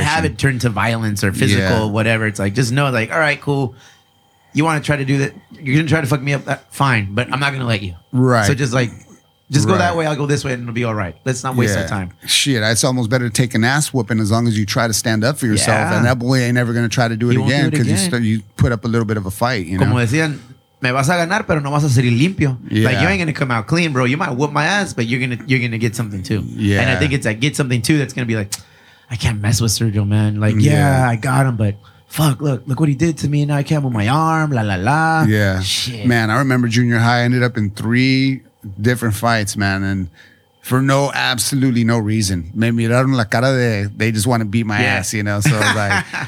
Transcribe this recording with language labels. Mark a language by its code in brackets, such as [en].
[en] have it turn to violence or physical, whatever. It's like, just know, like, all right, cool. You want to try to do that? You're going to try to fuck me up? Fine, but I'm not going to let you. Right. So just like, just go that way, I'll go this way, and it'll be all right. Let's not waste our time. Shit, it's almost better to take an ass whooping as long as you try to stand up for yourself. Yeah. And that boy ain't never going to try to do it again, because you put up a little bit of a fight, you know? [es] Como decían, me vas a ganar, pero no vas a ser limpio. [en] Yeah. Like, you ain't going to come out clean, bro. You might whoop my ass, but you're gonna get something too. Yeah. And I think it's like, get something too, that's going to be like, I can't mess with Sergio, man. Like, yeah, I got him, but fuck, look what he did to me, and I can't move my arm, la, la, la. Yeah. Shit. Man, I remember junior high, I ended up in 3 different fights, man, and for absolutely no reason. [es] Me miraron la cara de, [en] they just want to beat my ass, you know? So, like,